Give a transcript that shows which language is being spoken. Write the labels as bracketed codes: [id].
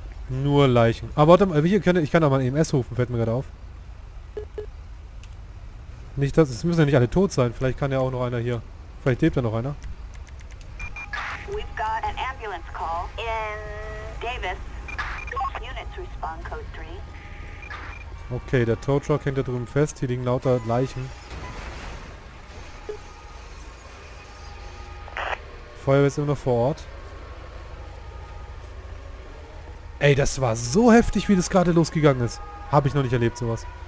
[de] Nur Leichen. Aber warte mal, ich kann auch mal einen EMS rufen, fällt mir gerade auf. Nicht, dass es müssen ja nicht alle tot sein. Vielleicht kann ja auch noch einer hier. Vielleicht lebt ja noch einer. [en] We've got an ambulance call in Davis. Units respond code 3. [de] Okay, der Tow Truck hängt da drüben fest. Hier liegen lauter Leichen. Feuerwehr ist immer noch vor Ort. Ey, das war so heftig, wie das gerade losgegangen ist. Habe ich noch nicht erlebt, sowas.